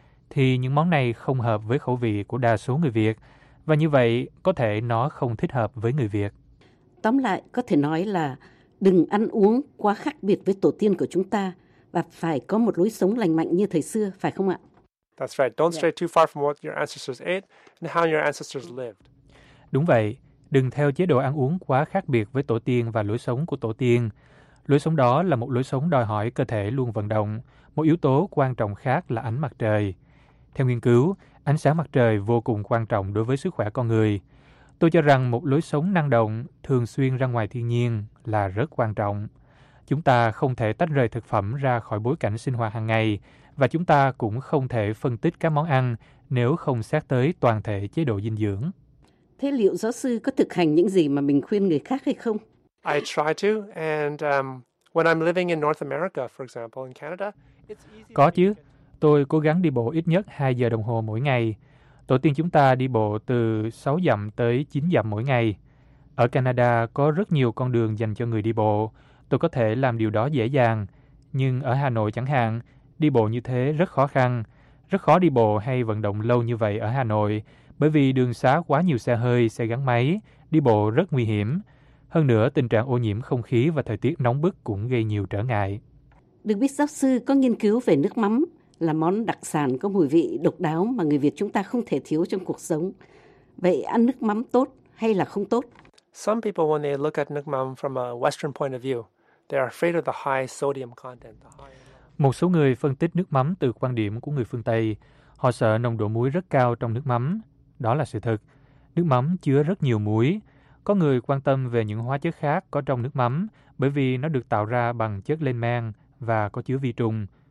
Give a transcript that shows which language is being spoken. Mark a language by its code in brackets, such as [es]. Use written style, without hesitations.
[vi] Thì những món này không hợp với khẩu vị của đa số người Việt, và như vậy có thể nó không thích hợp với người Việt. Tóm lại, có thể nói là đừng ăn uống quá khác biệt với tổ tiên của chúng ta, và phải có một lối sống lành mạnh như thời xưa, phải không ạ? [en] That's right. Don't stray too far from what your ancestors ate and how your ancestors lived. [vi] Đúng vậy. Đừng theo chế độ ăn uống quá khác biệt với tổ tiên và lối sống của tổ tiên. Lối sống đó là một lối sống đòi hỏi cơ thể luôn vận động. Một yếu tố quan trọng khác là ánh mặt trời. Theo nghiên cứu, ánh sáng mặt trời vô cùng quan trọng đối với sức khỏe con người. Tôi cho rằng một lối sống năng động, thường xuyên ra ngoài thiên nhiên là rất quan trọng. Chúng ta không thể tách rời thực phẩm ra khỏi bối cảnh sinh hoạt hàng ngày, và chúng ta cũng không thể phân tích các món ăn nếu không xét tới toàn thể chế độ dinh dưỡng. Thế liệu giáo sư có thực hành những gì mà mình khuyên người khác hay không? [en] I try to, and when I'm living in North America, for example, in Canada, [vi] Có chứ. Tôi cố gắng đi bộ ít nhất 2 giờ đồng hồ mỗi ngày. Tổ tiên chúng ta đi bộ từ 6 dặm tới 9 dặm mỗi ngày. Ở Canada có rất nhiều con đường dành cho người đi bộ. Tôi có thể làm điều đó dễ dàng. Nhưng ở Hà Nội chẳng hạn, đi bộ như thế rất khó khăn. Rất khó đi bộ hay vận động lâu như vậy ở Hà Nội, bởi vì đường xá quá nhiều xe hơi, xe gắn máy, đi bộ rất nguy hiểm. Hơn nữa, tình trạng ô nhiễm không khí và thời tiết nóng bức cũng gây nhiều trở ngại. Được biết giáo sư có nghiên cứu về nước mắm, là món đặc sản có mùi vị độc đáo mà người Việt chúng ta không thể thiếu trong cuộc sống. Vậy ăn nước mắm tốt hay là không tốt? [en] Some people when they look at nước mắm from a Western point of view, they are afraid of the high sodium content. [vi] Một số người phân tích nước mắm từ quan điểm của người phương Tây. Họ sợ nồng độ muối rất cao trong nước mắm. Đó là sự thật. Nước mắm chứa rất nhiều muối. Có người quan tâm về những hóa chất khác có trong nước mắm bởi vì nó được tạo ra bằng chất lên men và có chứa vi trùng.